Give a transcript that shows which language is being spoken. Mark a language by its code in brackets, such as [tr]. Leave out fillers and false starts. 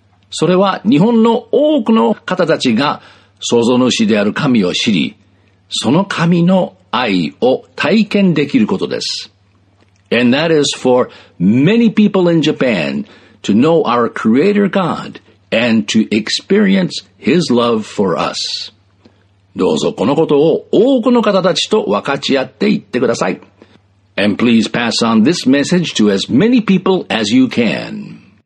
[ja] それは日本の多くの方たちが創造主である神を知り、その神の愛を体験できることです。 [en] And that is for many people in Japan to know our Creator God and to experience His love for us. [ja] どうぞこのことを多くの方たちと分かち合っていってください。 [en] And please pass on this message to as many people as you can.